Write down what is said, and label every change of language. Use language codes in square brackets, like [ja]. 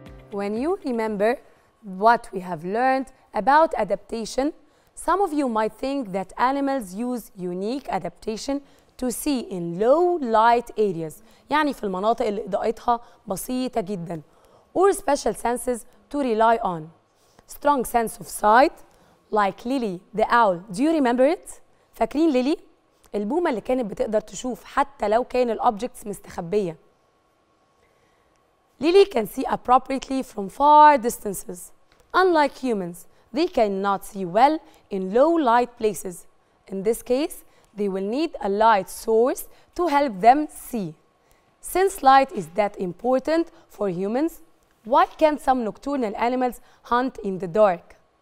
[en] When you remember what we have learned about adaptation, some of you might think that animals use unique adaptation to see in low light areas, [ar] يعني في المناطق اللي إضاءتها بسيطة جدا, [en] or special senses to rely on. Strong sense of sight, like Lily the owl, do you remember it? [ar] فاكرين ليلي؟ البومة اللي كانت بتقدر تشوف حتى لو كان الأوبجكتس مستخبية. [en] Lily can see appropriately from far distances. Unlike humans, they cannot see well in low light places. In this case, they will need a light source to help them see. Since light is that important for humans, why can't some nocturnal animals hunt in the dark?